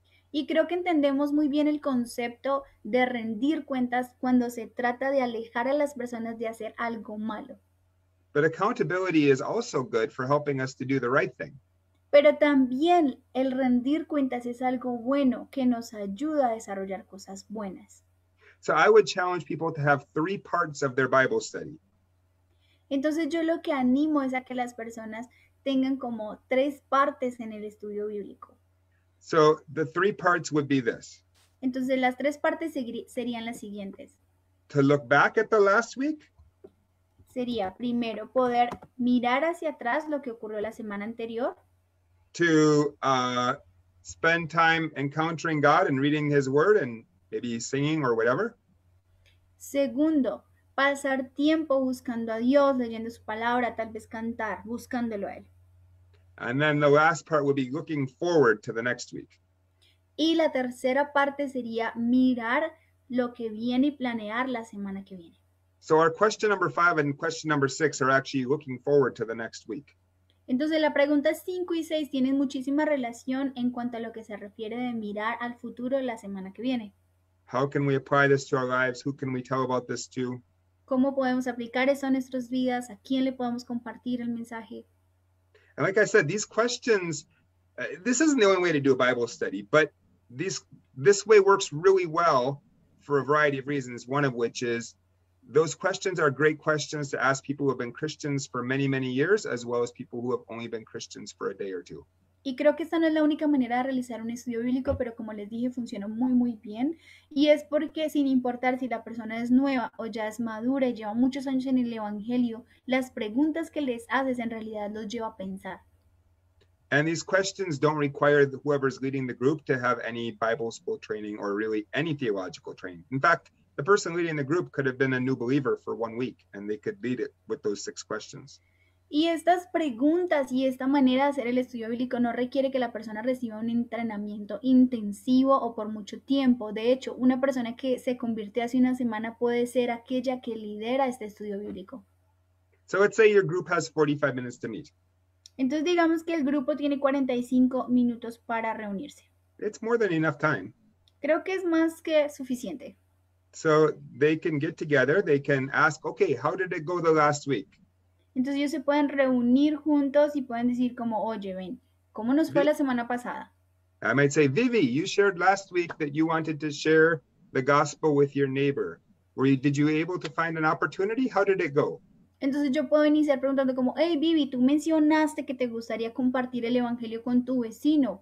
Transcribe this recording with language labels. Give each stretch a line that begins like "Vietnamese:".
Spanish: Y creo que entendemos muy bien el concepto de rendir cuentas cuando se trata de alejar a las personas de hacer algo malo.
English: But accountability is also good for helping us to do the right thing.
Spanish: Pero también el rendir cuentas es algo bueno que nos ayuda a desarrollar cosas buenas.
English: So I would challenge people to have 3 parts of their Bible study.
Spanish: Entonces yo lo que animo es a que las personas tengan como 3 partes en el estudio bíblico.
English: So the 3 parts would be this.
Spanish: Entonces las 3 partes serían las siguientes.
English: To look back at the last week.
Spanish: Sería primero poder mirar hacia atrás lo que ocurrió la semana anterior.
English: To spend time encountering God and reading His Word and maybe singing or whatever.
Spanish: Segundo, pasar tiempo buscando a Dios, leyendo su palabra, tal vez cantar, buscándolo a Él.
English: And then the last part would be looking forward to the next week.
Spanish: Y la tercera parte sería mirar lo que viene y planear la semana que viene.
English: So our question number 5 and question number 6 are actually looking forward to the next week.
Spanish: Entonces la pregunta 5 y 6 tienen muchísima relación en cuanto a lo que se refiere de mirar al futuro la semana que viene.
English: How can we apply this to our lives? Who can we tell about this to?
Spanish: ¿Cómo podemos aplicar eso a nuestras vidas? ¿A quién le podemos compartir el mensaje?
English: And like I said, these questions, this isn't the only way to do a Bible study, but this way works really well for a variety of reasons, one of which is those questions are great questions to ask people who have been Christians for many, many years, as well as people who have only been Christians for a day or two.
Spanish: Y creo que esta no es la única manera de realizar un estudio bíblico, pero como les dije, funciona muy, muy bien. Y es porque sin importar si la persona es nueva o ya es madura y lleva muchos años en el evangelio, las preguntas que les haces en realidad los lleva a pensar.
English: And these questions don't require whoever's leading the group to have any Bible school training or really any theological training. In fact, the person leading the group could have been a new believer for 1 week and they could lead it with those 6 questions.
Spanish: Y estas preguntas y esta manera de hacer el estudio bíblico no requiere que la persona reciba un entrenamiento intensivo o por mucho tiempo. De hecho, una persona que se convirtió hace una semana puede ser aquella que lidera este estudio bíblico.
English: So let's say your group has 45 minutes to meet.
Spanish: Entonces digamos que el grupo tiene 45 minutos para reunirse.
English: It's more than enough time.
Spanish: Creo que es más que suficiente.
English: So they can get together, they can ask, okay, how did it go the last week?
Spanish: Entonces ellos se pueden reunir juntos y pueden decir como, oye, ven, ¿Cómo nos fue la semana pasada?
English: I might say, Vivi, you shared last week that you wanted to share the gospel with your neighbor. Were you, did you able to find an opportunity? How did it go?
Spanish: Entonces yo puedo iniciar preguntando como, hey, Vivi, tú mencionaste que te gustaría compartir el evangelio con tu vecino.